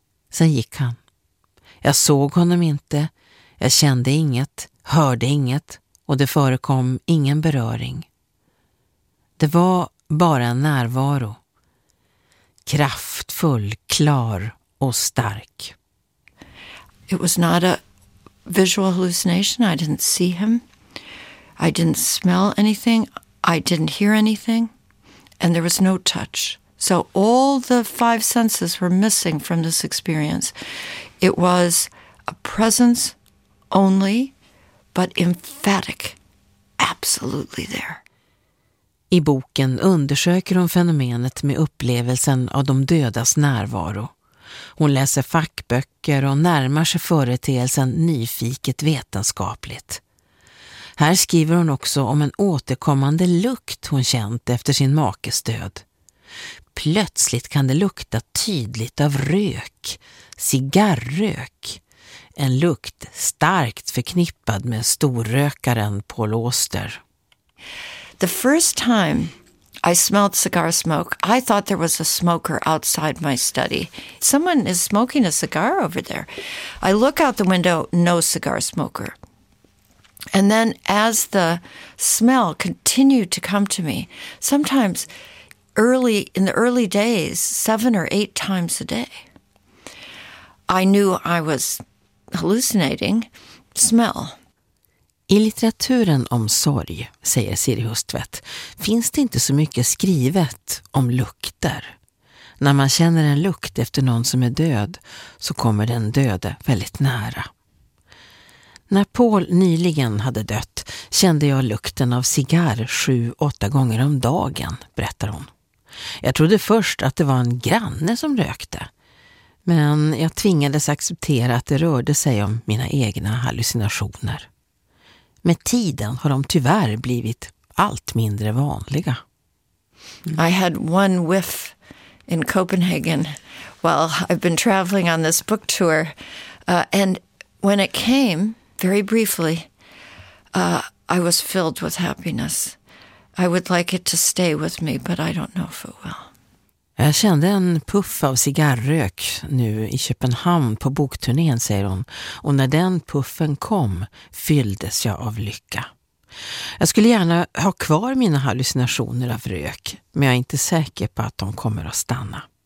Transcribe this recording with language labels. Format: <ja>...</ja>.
<sv>Sen gick han. Jag såg honom inte, jag kände inget, hörde inget och det förekom ingen beröring. Det var bara en närvaro. Kraftfull, klar och stark.</sv> <en>It was not a visual hallucination. I didn't see him. I didn't smell anything. I didn't hear anything. And there was no touch. So all the five senses were missing from this experience. It was a presence only, but emphatic, absolutely there.</en> <sv>I boken undersöker hon fenomenet med upplevelsen av de dödas närvaro. Hon läser fackböcker och närmar sig företeelsen nyfiket vetenskapligt. Här skriver hon också om en återkommande lukt hon känt efter sin makes död. Plötsligt kan det lukta tydligt av rök, cigarrök. En lukt starkt förknippad med storrökaren Paul Auster.</sv> <en>The first time I smelled cigar smoke, I thought there was a smoker outside my study. Someone is smoking a cigar over there. I look out the window, no cigar smoker. And then as the smell continued to come to me, sometimes early in the early days, 7 or 8 times a day, I knew I was hallucinating smell.</en> <sv>I litteraturen om sorg, säger Siri Hustvedt, finns det inte så mycket skrivet om lukter. När man känner en lukt efter någon som är död så kommer den döde väldigt nära. När Paul nyligen hade dött kände jag lukten av cigarr 7-8 gånger om dagen, berättar hon. Jag trodde först att det var en granne som rökte. Men jag tvingades acceptera att det rörde sig om mina egna hallucinationer. Med tiden har de tyvärr blivit allt mindre vanliga. Mm.</sv> <en>I had one whiff in Copenhagen while I've been traveling on this book tour. And when it came, very briefly, I was filled with happiness. I would like it to stay with me, but I don't know if it will.</en> <sv>Jag kände en puff av cigarrök nu i Köpenhamn på bokturnén, säger hon. Och när den puffen kom fylldes jag av lycka. Jag skulle gärna ha kvar mina hallucinationer av rök, men jag är inte säker på att de kommer att stanna.</sv>